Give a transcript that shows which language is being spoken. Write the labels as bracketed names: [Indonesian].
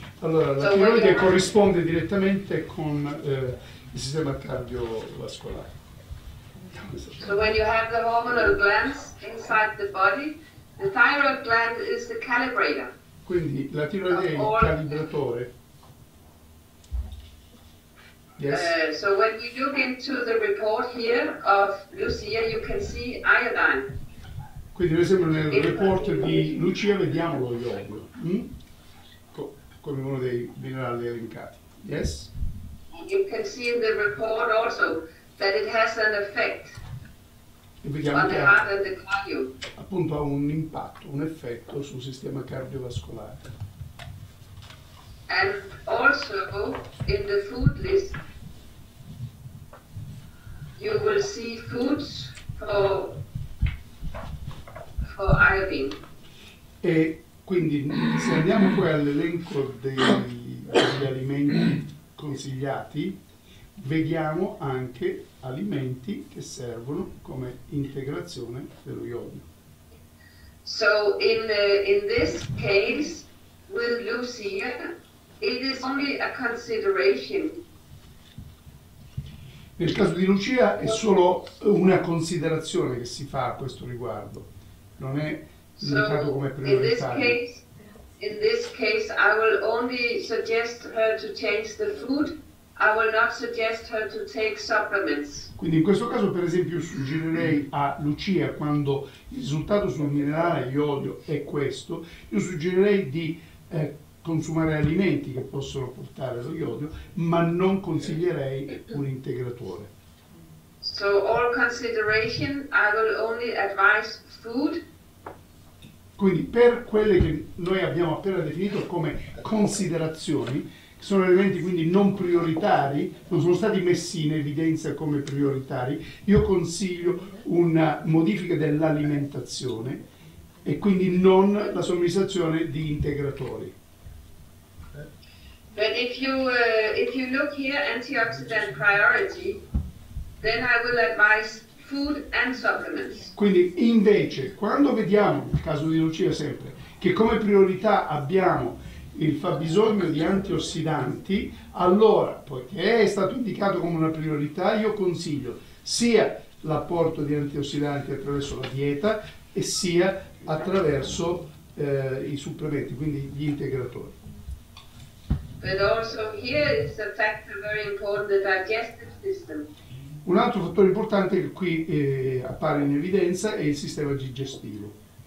[Italian] Allora, la tiroide corrisponde direttamente con il sistema cardiovascolare. [English] So when you have the hormonal glands inside the body, the thyroid gland is the calibrator. [Italian] Quindi la tiroide è il calibratore. [English] Yes. So when you look into the report here of Lucia, you can see iodine. [Italian] Quindi per esempio nel report di Lucia vediamo lo iodio. Come uno dei minerali elencati. Yes? [English] You can see in the report also that it has an effect on the heart and the cardio. [Italian] Appunto, ha un impatto, un effetto sul sistema cardiovascolare. [English] And also in the food list you will see foods, for iodine. [Italian] E quindi se andiamo poi all'elenco degli alimenti consigliati, vediamo anche alimenti che servono come integrazione dello iodio. [English] So in this case with Lucia, it is only a consideration. [Italian] Nel caso di Lucia è solo una considerazione che si fa a questo riguardo, non è indicato come prioritario. [English] In this case I will only suggest her to change the food. I will not suggest her to take supplements. [Italian] Quindi in questo caso, per esempio, suggerirei a Lucia, quando il risultato sul minerale iodio è questo, io suggerirei di consumare alimenti che possono portare lo iodio, ma non consiglierei un integratore. [English] So all consideration, I will only advise food. [Italian] Quindi per quelle che noi abbiamo appena definito come considerazioni, sono elementi quindi non prioritari, non sono stati messi in evidenza come prioritari, io consiglio una modifica dell'alimentazione e quindi non la somministrazione di integratori. [English] But if you look here antioxidant priority, then I will advise food and supplements. [Italian] Quindi invece quando vediamo nel caso di Lucia sempre che come priorità abbiamo il fabbisogno di antiossidanti, allora, poiché è stato indicato come una priorità, io consiglio sia l'apporto di antiossidanti attraverso la dieta e sia attraverso i supplementi, quindi gli integratori. [English] But also here is a factor very important, the digestive system. [Italian] Un altro fattore importante che qui appare in evidenza è il sistema digestivo.